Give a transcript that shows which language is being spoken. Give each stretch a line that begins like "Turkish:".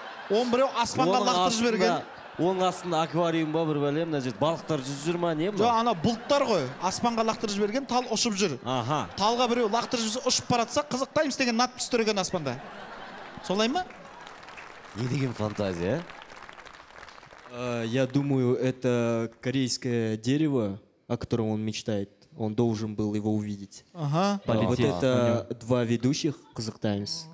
Kazakh: Он біреу аспанға лақтырып жіберген. Оның астында аквариум ба бір бәле, мына жерде балықтар жүзір ма, не ма? Жоқ, ана бұлттар ғой. Аспанға лақтырып жіберген, тал ұшып жүр. Аха. Талға біреу лақтырып жіберсе, ұшып баратса, қызықтаймыз деген нат түстір екен аспанда. Солай ма? Не деген фантазия?
Russian: Я думаю, это корейское дерево, о котором он мечтает. Он должен был его увидеть. Ага. Полетел. Вот это два ведущих Kazakh Times.